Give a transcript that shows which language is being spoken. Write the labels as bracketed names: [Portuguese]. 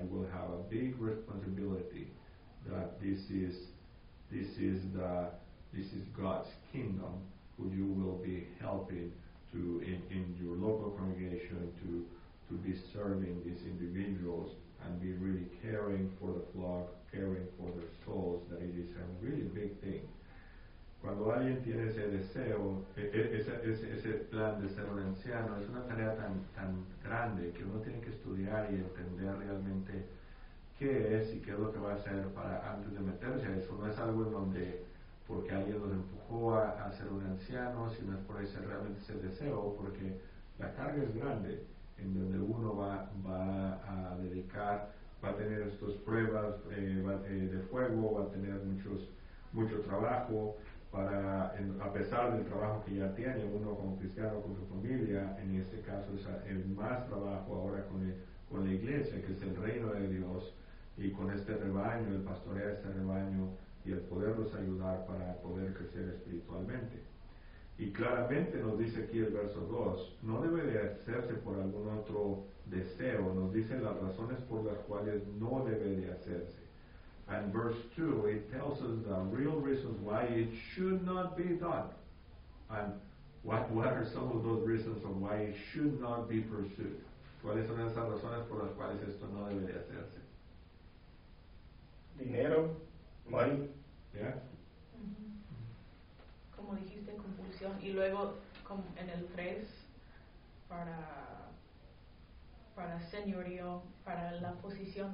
[English] You will have a big responsibility that this is God's kingdom, who you will be helping to in your local congregation to be serving these individuals and be really caring for the flock, caring for their souls. That it is a really big thing. [Spanish] Cuando alguien tiene ese deseo, ese plan de ser un anciano, es una tarea tan grande que uno tiene que estudiar y entender realmente qué es y qué es lo que va a hacer para antes de meterse a eso. No es algo en donde porque alguien los empujó a ser un anciano, sino es por ese realmente ese deseo, porque la carga es grande en donde uno va a dedicar, va a tener estas pruebas de fuego, va a tener mucho trabajo. Para, a pesar del trabajo que ya tiene uno como cristiano con su familia, en este caso es más trabajo ahora con la iglesia, que es el reino de Dios, y con este rebaño, el pastorear este rebaño y el poderlos ayudar para poder crecer espiritualmente. Y claramente nos dice aquí el verso 2, no debe de hacerse por algún otro deseo, nos dice las razones por las cuales no debe de hacerse. [English] And verse 2, it tells us the real reasons why it should not be done. And what are some of those reasons of why it should not be pursued? [Spanish] ¿Cuáles son esas razones por las cuales esto no debe de hacerse? Dinero, money. [English] Yeah? Mm-hmm. [Spanish] Como dijiste, compulsión. Y luego, en el 3, para señorío, para la posición.